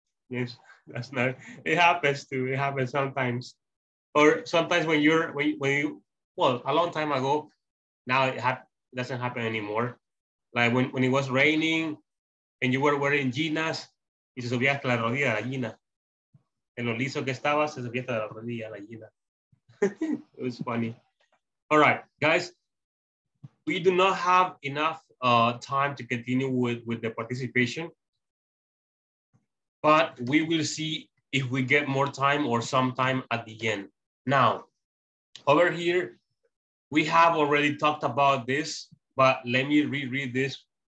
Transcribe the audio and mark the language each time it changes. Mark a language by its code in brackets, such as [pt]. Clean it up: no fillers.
[en] Yes, that's not. It happens too. It happens sometimes. Or sometimes when you, a long time ago, now it doesn't happen anymore. Like when it was raining and you were wearing jeans, [es] y se subía hasta la rodilla de la gina. En lo liso que estaba, se subía hasta la rodilla de la gina. [en] It was funny. All right, guys. We do not have enough time to continue with the participation, but we will see if we get more time or some time at the end. Now, over here, we have already talked about this, but let me reread this.